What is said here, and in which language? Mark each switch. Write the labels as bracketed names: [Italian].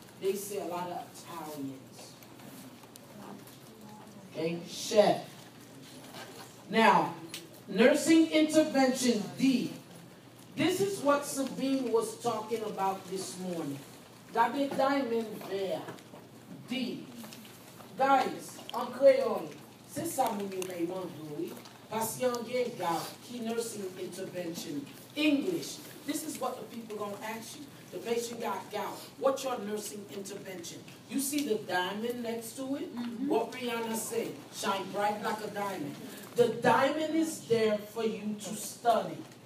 [English] They say a lot of Italians. Okay, chef. Now, nursing intervention D. This is what Sabine was talking about this morning. That the diamond there. D. [French] Guys, en créole, c'est ça mon numéro. [English] Patient gain gout, key nursing intervention. English, this is what the people gonna ask you. The patient got gout, what's your nursing intervention? You see the diamond next to it? Mm-hmm. What Rihanna say? Shine bright like a diamond. The diamond is there for you to study.